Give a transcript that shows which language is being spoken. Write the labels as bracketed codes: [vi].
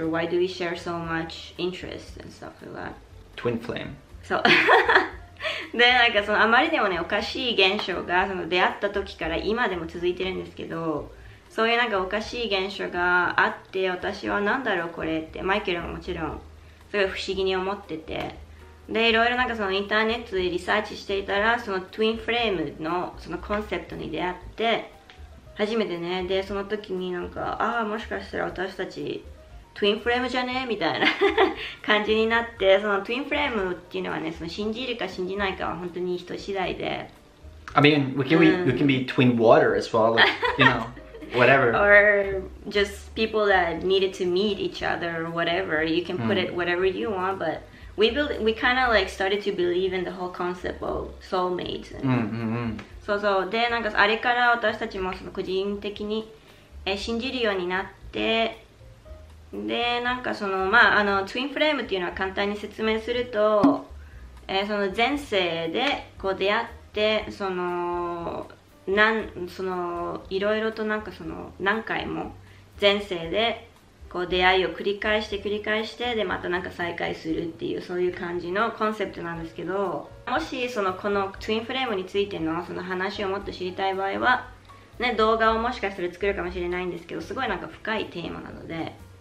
[en] Or why do we share so much interest and stuff like that? Twin flame. [ja] So, で、なんかそのあまりにもね、おかしい現象がその出会った時から今でも続いてるんですけど、そういうなんかおかしい現象があって、私はなんだろうこれってマイケルももちろんすごい不思議に思ってて、でいろいろなんかそのインターネットでリサーチしていたら、そのトゥインフレームのそのコンセプトに出会って、初めてね、でその時になんか、ああもしかしたら私たちトゥインフレームじゃねえみたいな感じになって、そのトゥインフレームっていうのはね、その信じるか信じないかは本当に人次第で、 [en] I mean we can be twin water as well, like, you know whatever, or just people that needed to meet each other or whatever, you can put it whatever you want, but we kind of like started to believe in the whole concept of soulmates. [ja] So so で、なんかあれから私たちもその個人的に信じるようになって、で、なんかそのまあ、あのツインフレームっていうのは簡単に説明すると、その前世でこう出会って、そのなんそのいろいろとなんかその何回も前世でこう出会いを繰り返して繰り返して、でまたなんか再会するっていう、そういう感じのコンセプトなんですけど、もしそのこのツインフレームについてのその話をもっと知りたい場合はね、動画をもしかしたら作るかもしれないんですけど、すごいなんか深いテーマなので、